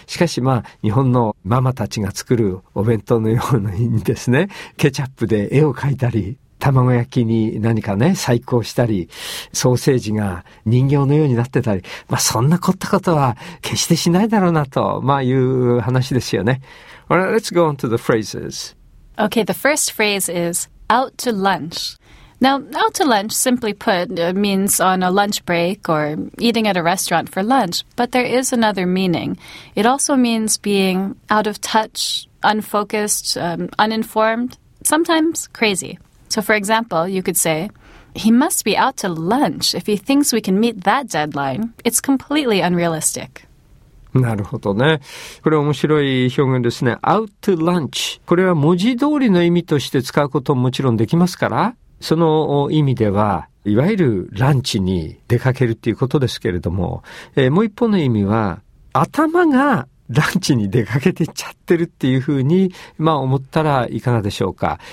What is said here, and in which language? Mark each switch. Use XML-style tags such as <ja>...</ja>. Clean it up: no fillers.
<ja>しかしまあ日本のママたちが作るお弁当のようにですね、ケチャップで絵を描いたり、卵焼きに何かね、細工したり、ソーセージが人形のようになってたり、まあそんな凝ったことは決してしないだろうなと、まあいう話ですよね。</ja> <en>Alright, let's go on to the phrases. Okay, the first phrase is out to lunch. Now, out to lunch, simply put, means on a lunch break or eating at a restaurant for lunch, but there is another meaning. It also means being out of touch, unfocused, uninformed, sometimes crazy. So, for example, you could say, he must be out to lunch if he thinks we can meet that deadline. It's completely unrealistic.</en> <ja>なるほどね。これ面白い表現ですね。</ja> <en>Out to lunch.</en> <ja>これは文字通りの意味として使うことももちろんできますから、その意味では、いわゆるランチに出かけるっていうことですけれども、もう一方の意味は、頭がランチに出かけていっちゃってるっていうふうに、まあ思ったらいかがでしょうか。</ja>